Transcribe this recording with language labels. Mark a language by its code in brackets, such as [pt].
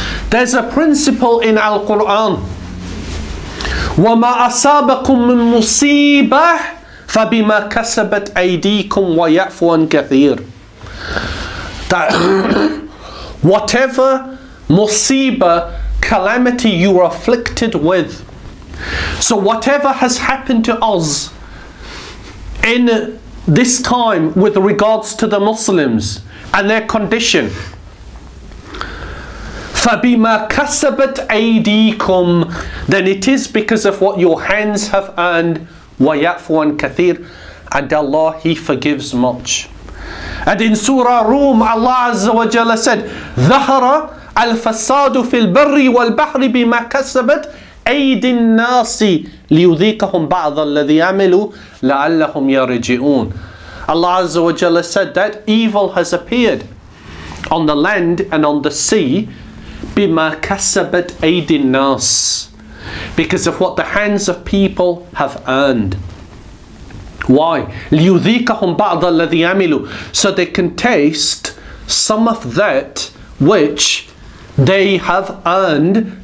[en] There's a principle in Al-Quran. [ar] وَمَا أَصَابَكُم مِّن مُّصِيبَةٍ فَبِمَا كَسَبَتْ أَيْدِيكُمْ وَيَعْفُ عَن كَثِيرٍ. [en] That whatever musibah, calamity you are afflicted with, so whatever has happened to us in this time with regards to the Muslims and their condition, [ar] فَبِمَا كَسَبَتْ أَيْدِيكُمْ, [en] then it is because of what your hands have earned. [ar] وَيَعْفُ عَنْ كَثِيرٍ, [en] and Allah, He forgives much. And in Surah Rum, Allah Azza wa Jalla said, [ar] ذَهَرَ الْفَسَادُ فِي الْبَرِّ وَالْبَحْرِ بِمَا كَسَبَتْ أَيْدِ النَّاسِ لِيُذِيقَهُمْ بَعْضَ الَّذِي عَمِلُوا لَعَلَّهُمْ يَرِجِعُونَ. [en] Allah Azza wa Jalla said that evil has appeared on the land and on the sea, [ar] بِمَا كَسَبَتْ أَيْدِ النَّاسِ, [en] because of what the hands of people have earned. Why? [ar] لِيُذِيكَهُمْ بَعْضَ الَّذِي عَمِلُوا, [en] so they can taste some of that which they have earned.